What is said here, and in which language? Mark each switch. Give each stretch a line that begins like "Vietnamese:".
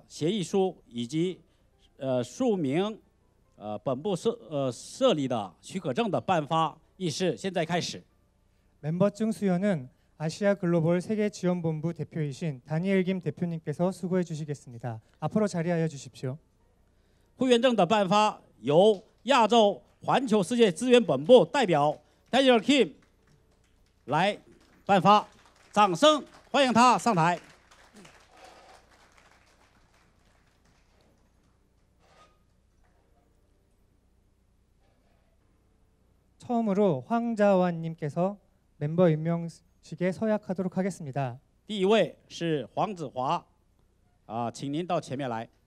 Chinese: 首先进行亚洲环球世界资源本部内定者国际机构世界气候世界绿色气候机构的协议书以及署名。本部设立的许可证的颁发仪式现在开始。
Korean: 멤버 중 수여는 아시아 글로벌 세계 지원 본부 대표이신 다니엘 김 대표님께서 수고해 주시겠습니다. 앞으로 자리하여 주십시오.
Chinese: 会员证的颁发由亚洲环球世界资源本部代表戴尔金来颁发，掌声欢迎他上台。
Korean: 처음으로 황자완님께서 멤버 임명식에 서약하도록 하겠습니다.
Chinese: 第一位是黄子华，请您到前面来。